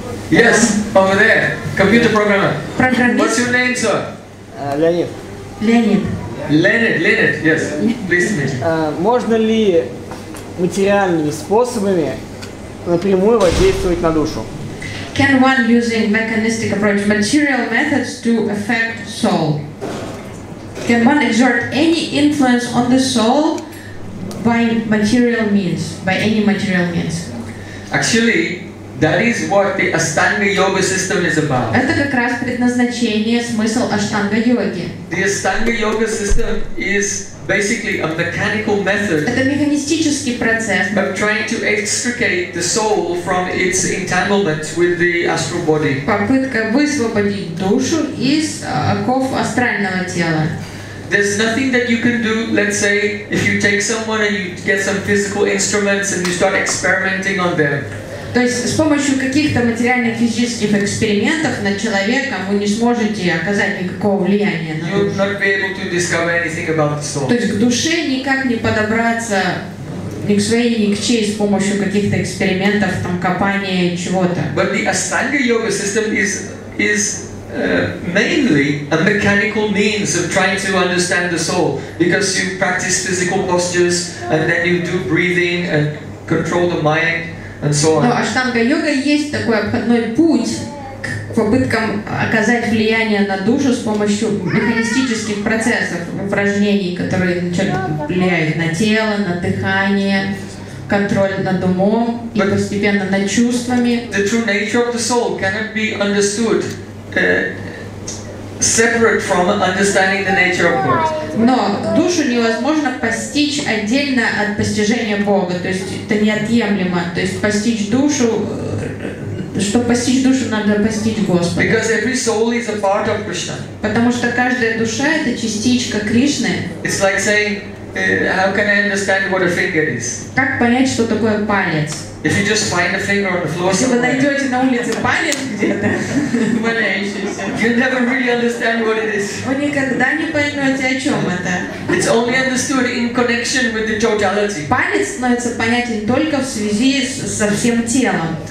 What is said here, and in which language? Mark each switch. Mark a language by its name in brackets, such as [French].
[English] Yes, over there. Computer programmer. What's your name, sir? [Russian] Леонид. Леонид. [English] Леонид, yes. Please meet. [Russian] Можно ли материальными способами напрямую воздействовать на душу? [English] Can one using mechanistic approach, material methods to affect soul? Can one exert any influence on the soul by material means, by any material means? Actually, that is what the Ashtanga Yoga system is about. [Russian] Это как раз предназначение, смысл Ashtanga Yoga. [English] The Ashtanga Yoga system is basically a mechanical method. [Russian] Это механистический процесс. [English] Of trying to extricate the soul from its entanglement with the astral body. [Russian] Попытка высвободить душу из оков астрального тела. [English] There's nothing that you can do, let's say, if you take someone and you get some physical instruments and you start experimenting on them. [Russian] То есть с помощью каких-то материальных физических экспериментов над человеком вы не сможете оказать никакого влияния на душу. [English] You're not be able to discover anything about the soul. [Russian] То есть к душе никак не подобраться ни к своей, ни к чьей с помощью каких-то экспериментов, там, копания чего-то. [English] But the Ashtanga Yoga system is mainly a mechanical means of trying to understand the soul, because you practice physical postures and then you do breathing and control the mind and so on. [Russian] Но Аштанга йога есть такой обходной путь к попыткам оказать влияние на душу с помощью механистических процессов, упражнений, которые влияют на тело, на дыхание, контроль над умом и постепенно над чувствами. [English] The true nature of the soul cannot be understood. Separate from understanding the nature of God. [Russian] Но душу невозможно постичь отдельно от постижения Бога. То есть это неотъемлемо. То есть постичь душу, чтобы постичь душу, надо постичь Господа. [English] Because every soul is a part of Krishna. [Russian] Потому что каждая душа это частичка Кришны. [English] It's like saying, how can I understand what a finger is? [Russian] Как понять, что такое палец? [English] If you just find a finger on the floor, [Russian] если вы найдете на улице палец где-то, валяющийся, [English] you never really understand what it is. [Russian] Вы никогда не поймете, о чем это. [English] It's only understood in connection with the totality. [Russian] Палец становится понятен только в связи со всем телом.